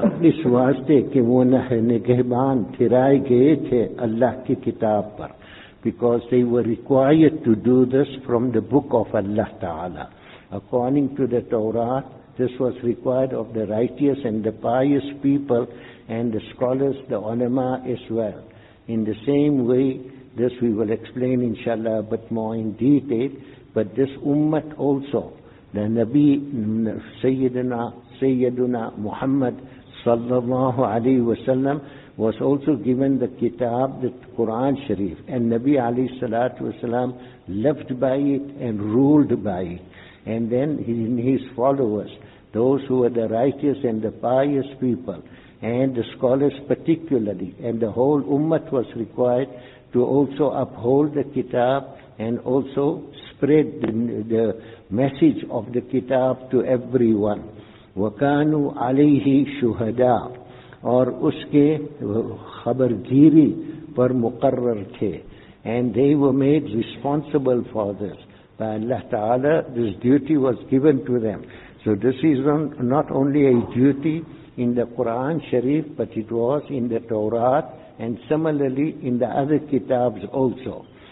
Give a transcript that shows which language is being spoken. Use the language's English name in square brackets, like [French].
[Urdu] اس واسطے کہ وہ نگہبان پھرائے گئے تھے اللہ کی کتاب پر. [English] Because they were required to do this from the book of Allah Ta'ala. According to the Torah, this was required of the righteous and the pious people and the scholars, the ulama as well. In the same way, this we will explain inshallah but more in detail, but this ummah also, the Nabi Sayyiduna Muhammad sallallahu alayhi wa sallam was also given the kitab, the Quran Sharif, and Nabi alayhi salatu wa sallam lived by it and ruled by it. And then in his followers, those who were the righteous and the pious people, and the scholars particularly, and the whole ummah was required to also uphold the kitab and also spread the message of the kitab to everyone. [Arabic] وَكَانُوا عَلَيْهِ شُهَدَاءَ. [Urdu] اور اس کے خبرگیری پر مقرر تھے. [English] And they were made responsible for this. By Allah Ta'ala, this duty was given to them. So this is not only a duty in the Quran Sharif, but it was in the Torah, and similarly in the other kitabs also.